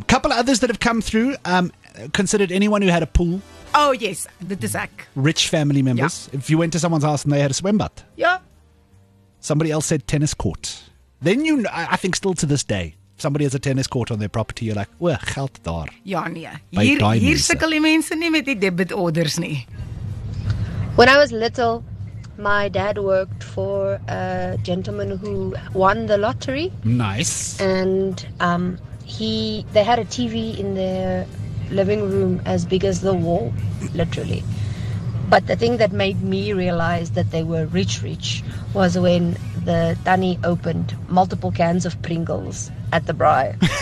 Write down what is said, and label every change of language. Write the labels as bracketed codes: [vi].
[en] A couple of others that have come through. Considered anyone who had a pool. Oh, yes. The Zach. Rich family members. Yeah. If you went to someone's house and they had a swim bath. Yeah. Somebody else said tennis court. Then you, I think still to this day, if somebody has a tennis court on their property, you're like, oh, [af] geld daar. Ja, nee. Hier sikkel die mense nie met die debit orders nie. [en] When I was little, my dad worked for a gentleman who won the lottery. Nice. And they had a TV in their living room as big as the wall, literally. But the thing that made me realize that they were rich, rich was when the tannie opened multiple cans of Pringles at the braai.